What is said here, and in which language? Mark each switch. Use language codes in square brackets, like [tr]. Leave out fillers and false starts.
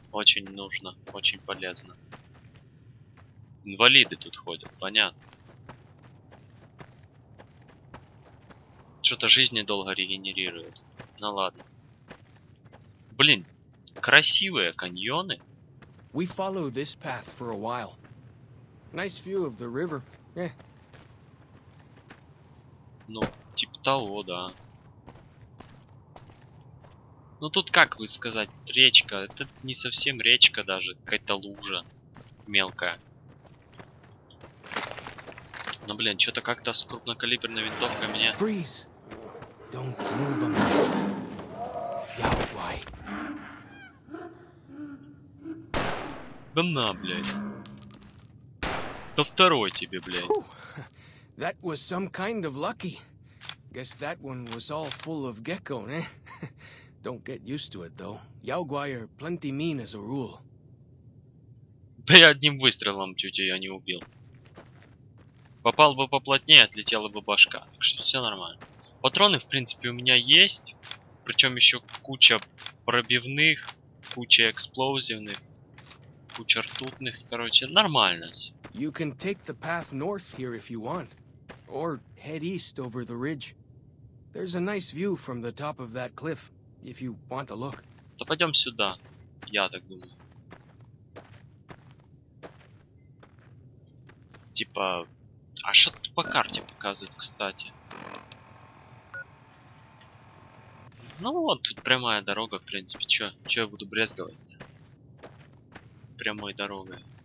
[ru] Очень нужно, очень полезно. Инвалиды тут ходят, понятно. Что-то жизнь недолго регенерирует. Ну ладно. Блин, красивые каньоны. [en] We follow this path for a while. Nice view of the river. Yeah. [ru] Ну, типа того, да. Ну тут как бы сказать, речка. Это не совсем речка даже, какая-то лужа мелкая. Но блин, что-то как-то с крупнокалиберной винтовкой меня. [en] Freeze. Don't move on this. Yeah, why? [ru] Да на, блядь. Да второй тебе, блядь. [en] That was some kind of lucky. Guess that one was all full of gecko, eh? Don't get used to it, though. Яугуай are plenty mean as a rule. [ru] Да я одним выстрелом тетю ее не убил. Попал бы поплотнее, отлетела бы башка. Так что все нормально. Патроны, в принципе, у меня есть. Причем еще куча пробивных, куча эксплозивных, куча ртутных. Короче, нормально. [en] You can take the path north here if you want. Or head east over the ridge. There's a nice view from the top of that cliff, if you want to look. [ru] Да пойдем сюда, я так думаю. Типа, а что тут по карте показывает, кстати? Ну вот, тут прямая дорога, в принципе, чё я буду брезговать-то? Прямой дорогой.